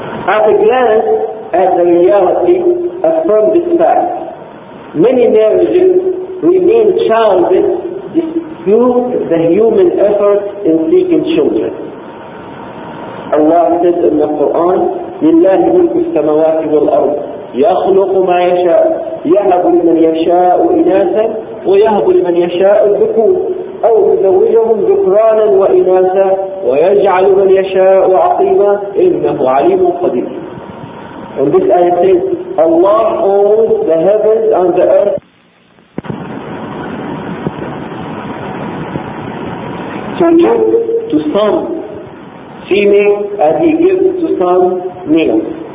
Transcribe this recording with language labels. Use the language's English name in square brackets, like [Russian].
[English] have a glance at the reality, affirm this fact. Many marriages remain childless despite the human effort in seeking children. Allah says in the Quran, [Arabic] لله ملك السماوات والأرض يخلق ما يشاء يهب لمن يشاء إناثا ويهب لمن يشاء الذكور أو يزوجهم ذكرانا وإناثا ويجعل من يشاء عقيما إنه عليم قدير. [English] And this ayah says, Allah holds the heavens and the earth. So give to some female as he gives to some males.